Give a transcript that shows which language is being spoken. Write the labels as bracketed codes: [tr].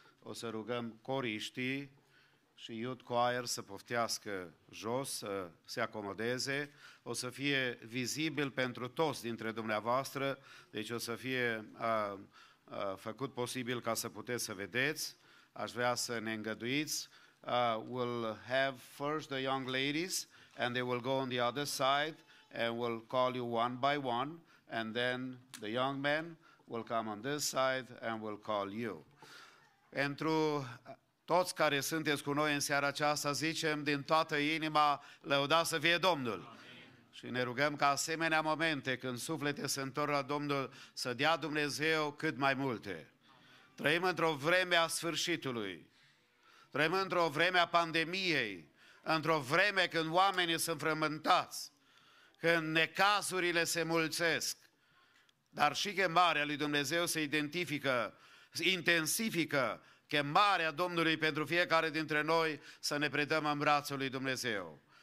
[ro] O să rugăm coriștii și [en] youth choir [ro] să poftească jos, să se acomodeze. O să fie vizibil pentru toți dintre dumneavoastră, deci o să fie făcut posibil ca să puteți să vedeți. Aș vrea să ne îngăduiți. [en] We'll have first the young ladies and they will go on the other side and we'll call you one by one and then the young men will come on this side and will call you. [ro] Pentru toți care sunteți cu noi în seara aceasta, zicem din toată inima, lăudați să fie Domnul. Și ne rugăm ca asemenea momente când suflete se întorc la Domnul să dea Dumnezeu cât mai multe. Trăim într-o vreme a sfârșitului, trăim într-o vreme a pandemiei, într-o vreme când oamenii sunt frământați, când necazurile se mulțesc, dar și chemarea lui Dumnezeu se identifică, intensifică chemarea Domnului pentru fiecare dintre noi să ne predăm în brațul lui Dumnezeu.